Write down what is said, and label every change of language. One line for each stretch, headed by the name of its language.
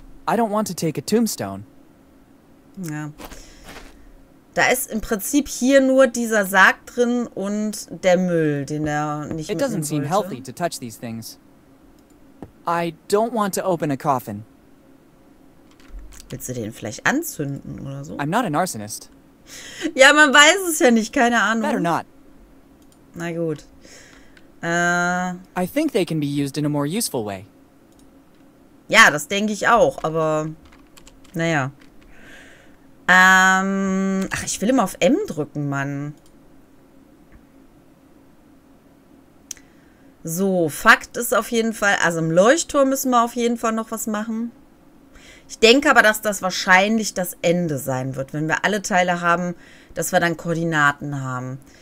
English: I don't want to take a tombstone.
German: Ja. Da ist im Prinzip hier nur dieser Sarg drin und der Müll, den er nicht mitnehmen wollte.
English: Seem healthy to touch these things. I don't want to open a coffin.
German: Willst du den vielleicht anzünden oder so?
English: I'm not an arsonist.
German: Ja, man weiß es ja nicht, keine Ahnung.
English: Better not.
German: Na gut.
English: I think they can be used in a more useful way.
German: Ja, das denke ich auch, aber naja. Ach, ich will immer auf M drücken, Mann. So, Fakt ist auf jeden Fall, also im Leuchtturm müssen wir auf jeden Fall noch was machen. Ich denke aber, dass das wahrscheinlich das Ende sein wird, wenn wir alle Teile haben, dass wir dann Koordinaten haben.